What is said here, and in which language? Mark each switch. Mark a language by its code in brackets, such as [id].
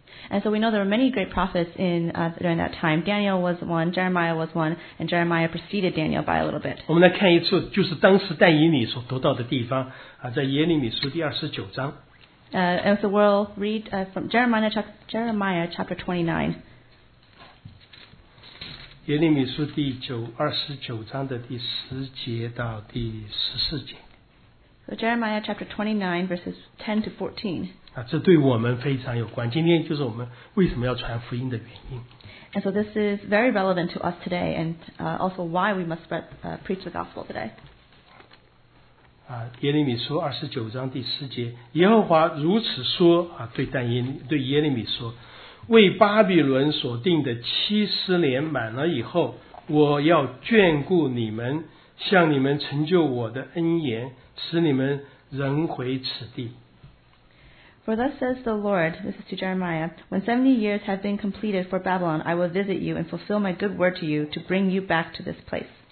[en] And so we know there were many great prophets in during that time. Daniel was one, Jeremiah was one, and Jeremiah preceded Daniel by a little bit. [zh] 我们来看一处，就是当时但以理所读到的地方啊，在耶利米书第29章。 [en] And so we'll read from Jeremiah chapter 29. [zh] 耶利米书第九二十九章的第10节到第14节。 [en] So Jeremiah chapter 29 verses 10 to 14. [zh] 这对我们非常有关。今天就是我们为什么要传福音的原因。 [en] And so this is very relevant to us today and also why we must spread, preach the gospel today. [zh] 耶利米书29章第10节 耶和华如此说对耶利米说 为巴比伦所定的70年满了以后 我要眷顾你们 向你们成就我的恩言 使你们仍回此地。 [en] For thus says the Lord, this is to Jeremiah, when 70 years have been completed for Babylon, I will visit you and fulfill my good word to you to bring you back to this place.